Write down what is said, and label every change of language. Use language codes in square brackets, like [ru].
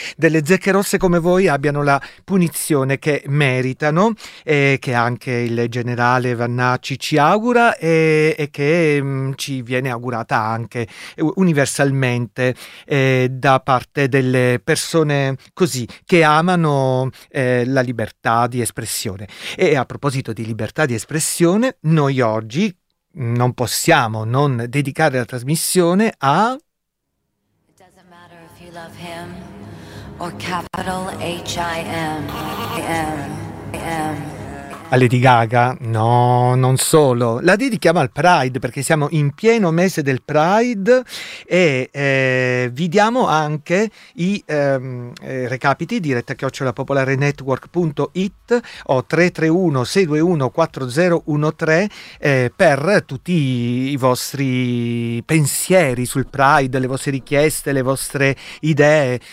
[it] delle zecche rosse come voi abbiano la punizione che meritano e che anche il generale Vannacci ci augura e che ci viene augurata anche universalmente da parte delle persone così che amano la libertà di espressione. E a proposito di libertà di espressione, noi oggi non possiamo non dedicare la trasmissione a [en] It doesn't matter if you love him or capital H-I-M-I-M. [it] A Lady Gaga? No, non solo. La dedichiamo al Pride, perché siamo in pieno mese del Pride e vi diamo anche i recapiti, diretta@popolarenetwork.it o 331-621-4013 per tutti i vostri pensieri sul Pride, le vostre richieste, le vostre idee.